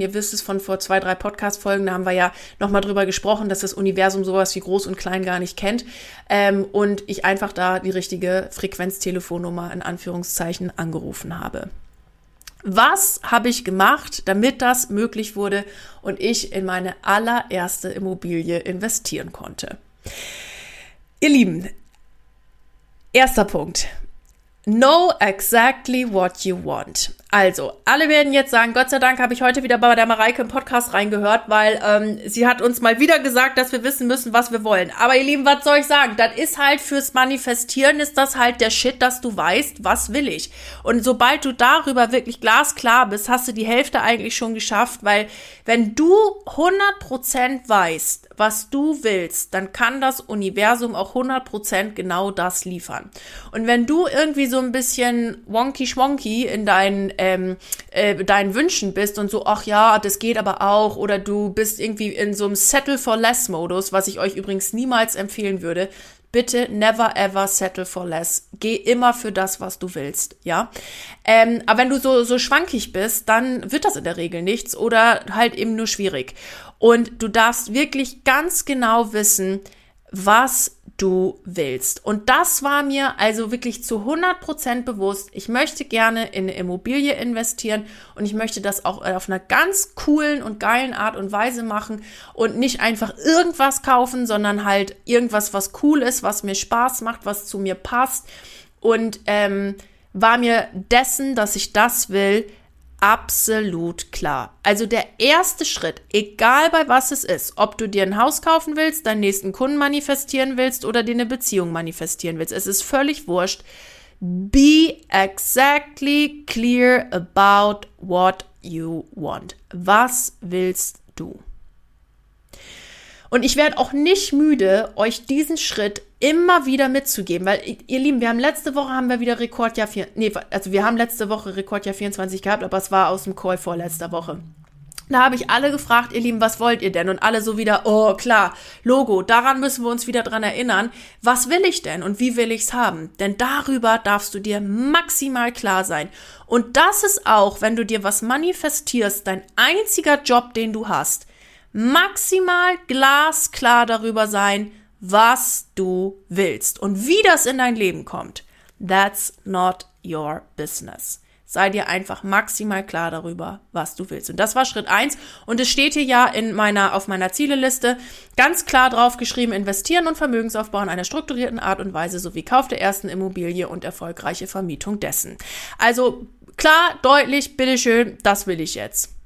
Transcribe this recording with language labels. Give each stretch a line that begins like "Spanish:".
German: Ihr wisst es von vor 2-3 Podcast-Folgen, da haben wir ja nochmal drüber gesprochen, dass das Universum sowas wie groß und klein gar nicht kennt und ich einfach da die richtige Frequenztelefonnummer in Anführungszeichen angerufen habe. Was habe ich gemacht, damit das möglich wurde und ich in meine allererste Immobilie investieren konnte? Ihr Lieben, erster Punkt.
English: Know exactly what you want.
German: Also, alle werden jetzt sagen, Gott sei Dank habe ich heute wieder bei der Mareike im Podcast reingehört, weil sie hat uns mal wieder gesagt, dass wir wissen müssen, was wir wollen. Aber ihr Lieben, was soll ich sagen? Das ist halt fürs Manifestieren, ist das halt der Shit, dass du weißt, was will ich. Und sobald du darüber wirklich glasklar bist, hast du die Hälfte eigentlich schon geschafft, weil wenn du 100% weißt, was du willst, dann kann das Universum auch 100% genau das liefern. Und wenn du irgendwie so ein bisschen wonky-schwonky in deinen Wünschen bist und so, ach ja, das geht aber auch, oder du bist irgendwie in so einem Settle-for-Less-Modus, was ich euch übrigens niemals empfehlen würde, bitte
English: never ever settle for less.
German: Geh immer für das, was du willst, ja. Aber wenn du so schwankig bist, dann wird das in der Regel nichts oder halt eben nur schwierig. Und du darfst wirklich ganz genau wissen, was du willst. Und das war mir also wirklich zu 100% bewusst. Ich möchte gerne in eine Immobilie investieren und ich möchte das auch auf einer ganz coolen und geilen Art und Weise machen und nicht einfach irgendwas kaufen, sondern halt irgendwas, was cool ist, was mir Spaß macht, was zu mir passt. Und war mir dessen, dass ich das will, absolut klar. Also der erste Schritt, egal bei was es ist, ob du dir ein Haus kaufen willst, deinen nächsten Kunden manifestieren willst oder dir eine Beziehung manifestieren willst, es ist völlig wurscht.
English: Be exactly clear about what you want.
German: Was willst du? Und ich werde auch nicht müde, euch diesen Schritt immer wieder mitzugeben, weil ihr Lieben, wir haben letzte Woche Rekordjahr 24 gehabt, aber es war aus dem Call vorletzter Woche. Da habe ich alle gefragt, ihr Lieben, was wollt ihr denn? Und alle so wieder, oh klar, Logo, daran müssen wir uns wieder dran erinnern. Was will ich denn und wie will ich es haben? Denn darüber darfst du dir maximal klar sein. Und das ist auch, wenn du dir was manifestierst, dein einziger Job, den du hast, maximal glasklar darüber sein, was du willst und wie das in dein Leben kommt.
English: That's not your business.
German: Sei dir einfach maximal klar darüber, was du willst. Und das war Schritt 1. Und es steht hier ja auf meiner Zieleliste ganz klar drauf geschrieben, investieren und Vermögensaufbau in einer strukturierten Art und Weise sowie Kauf der ersten Immobilie und erfolgreiche Vermietung dessen. Also klar, deutlich, bitteschön, das will ich jetzt.